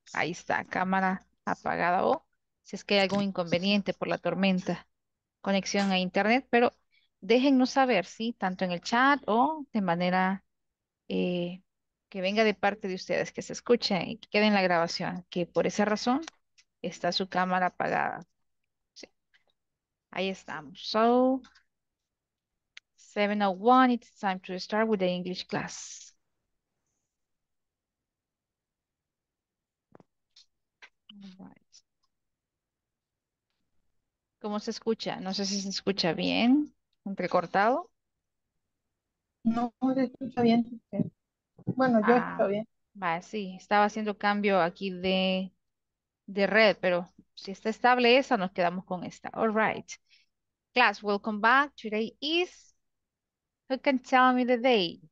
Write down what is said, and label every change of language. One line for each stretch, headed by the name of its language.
Spanish: Ahí está, cámara apagada o si es que hay algún inconveniente por la tormenta, conexión a internet, pero déjennos saber, ¿sí? Tanto en el chat o de manera que venga de parte de ustedes, que se escuche y que quede en la grabación, que por esa razón está su cámara apagada. ¿Sí? Ahí estamos.
English: So, 7:01, it's time to start with the English class. Right.
Spanish: ¿Cómo se escucha? No sé si se escucha bien, entrecortado. No se escucha bien. Bueno, yo Ah, estoy bien. Va, sí, estaba haciendo cambio aquí de red, pero si está estable esa, nos quedamos con esta.
English: All right. Class, welcome back. Today is, who can tell me the day?